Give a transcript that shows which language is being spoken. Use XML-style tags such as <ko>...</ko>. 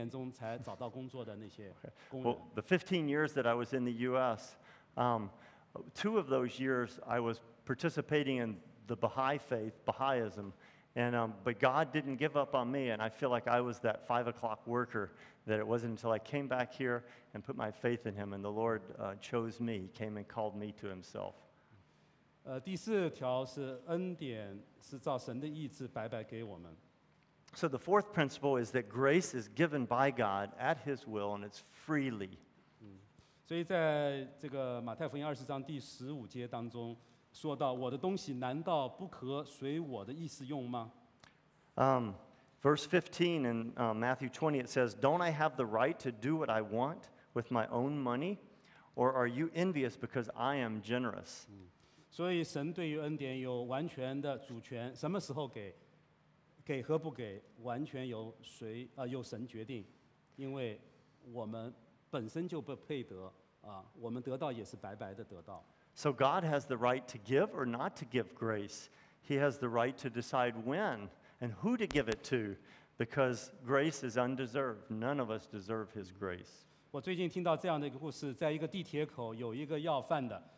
<zh>在美国15年当中，有2年虽然我参加了大同教的活动，但是神没有放弃我。到了中国，他继续来找我，我觉得就像我是那个5点钟才找到工作的那些工人。</zh> <en>Well, the 15 years that I was in the U.S., two of those years I was participating in the Baha'i faith, Baha'ism. And but God didn't give up on me, and I feel like I was that 5 o'clock worker, that it wasn't until I came back here and put my faith in him, and the Lord chose me, he came and called me to himself.</en> <zh>第四条是恩典是照神的意志白白给我们。</zh> <en>So the fourth principle is that grace is given by God at his will, and it's freely.</en> <zh>所以在这个马太福音20章第15节当中, 说到我的东西难道不可随我的意思用吗?</zh> <en>Verse 15 in Matthew 20, it says, "Don't I have the right to do what I want with my own money? Or are you envious because I am generous?"</en> <zh>所以神对于恩典有完全的主权，什么时候给，给和不给，完全由谁，由神决定，因为我们本身就不配得，我们得到也是白白的得到。</zh> <en>So God has the right to give or not to give grace. He has the right to decide when and who to give it to, because grace is undeserved. None of us deserve His grace.</en> <zh>我最近听到这样的一个故事，在一个地铁口有一个要饭的。</zh>